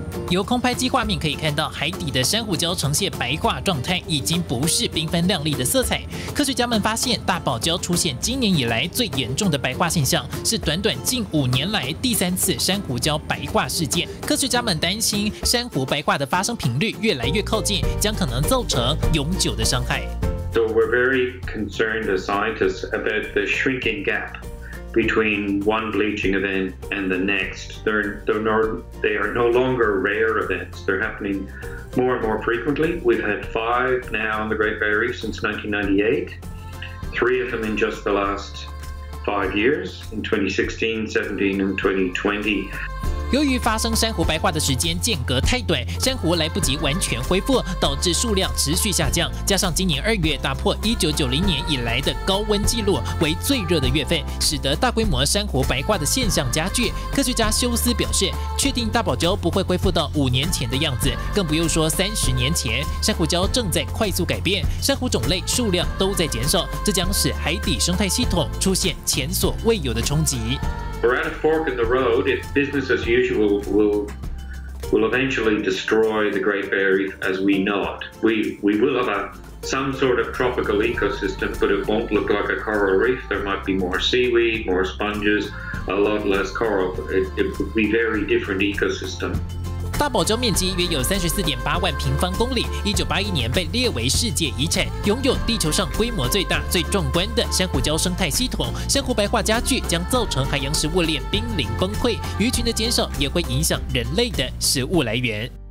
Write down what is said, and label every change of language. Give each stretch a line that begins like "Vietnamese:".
Chinese: 由空拍机画面可以看到，海底的珊瑚礁呈现白化状态，已经不是缤纷亮丽的色彩。科学家们发现，大堡礁出现今年以来最严重的白化现象，是短短近五年来第三次珊瑚礁白化事件。科学家们担心，珊瑚白化的发生频率越来越靠近，将可能造成永久的伤害。
English: So we're very concerned as scientists about the shrinking gap. Between one bleaching event and the next, they are no longer rare events. They're happening more and more frequently. We've had five now on the Great Barrier Reef since 1998, three of them in just the last 5 years, in 2016, 17, and 2020.
Chinese: 由于发生珊瑚白化的时间间隔太短，珊瑚来不及完全恢复，导致数量持续下降。加上今年二月打破1990年以来的高温纪录为最热的月份，使得大规模珊瑚白化的现象加剧。科学家休斯表示，确定大堡礁不会恢复到五年前的样子，更不用说30年前。珊瑚礁正在快速改变，珊瑚种类数量都在减少，这将使海底生态系统出现前所未有的冲击。
English: We're at a fork in the road. If business as usual will eventually destroy the Great Barrier Reef as we know it. We will have some sort of tropical ecosystem, but it won't look like a coral reef. There might be more seaweed, more sponges, a lot less coral. It would be a very different ecosystem.
Chinese: 大堡礁面积约有34.8万平方公里，1981年被列为世界遗产，拥有地球上规模最大、最壮观的珊瑚礁生态系统。珊瑚白化加剧将造成海洋食物链濒临崩溃，鱼群的减少也会影响人类的食物来源。